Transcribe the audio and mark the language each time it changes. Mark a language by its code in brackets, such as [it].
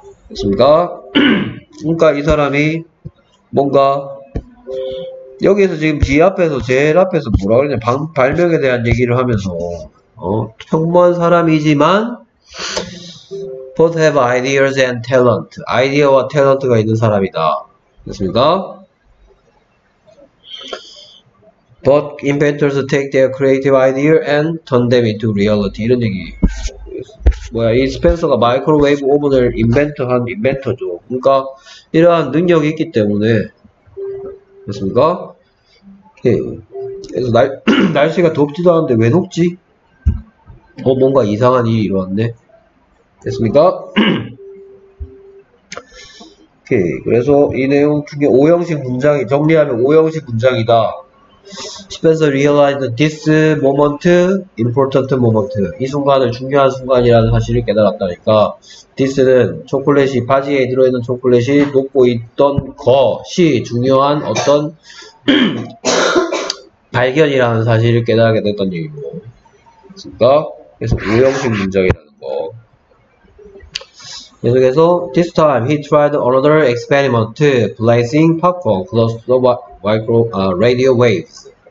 [ko] 맞습니까? 그러니까 이 사람이 뭔가 여기에서 지금 뒤 앞에서 제일 앞에서 뭐라 그러냐, 발명에 대한 얘기를 하면서 평범한 사람이지만 [en] both have ideas and talent. [ko] 아이디어와 탤런트가 있는 사람이다. 맞습니까? [en] But inventors take their creative idea and turn them into reality. [ko] 이런 얘기. 뭐야, 이 스펜서가 마이크로웨이브 오븐을 인벤트한 인벤터죠. 그러니까 이러한 능력이 있기 때문에. 됐습니까? 오케이. 그래서 날씨가 덥지도 않은데 왜 덥지? 뭔가 이상한 일이 일어났네. 됐습니까? 오케이. 그래서 이 내용 중에 5형식 문장이, 정리하면 5형식 문장이다. [en] Spencer realized this moment important moment. [ko] 이 순간을 중요한 순간이라는 사실을 깨달았다니까. This는 초콜릿이, 바지에 들어있는 초콜릿이 놓고 있던 것이 중요한 어떤 발견이라는 사실을 깨달게 됐던 얘기고. 그러니까 계속 5형식 문장이라는 거. 계속해서 [en] this time he tried another experiment placing popcorn close to the micro radio waves.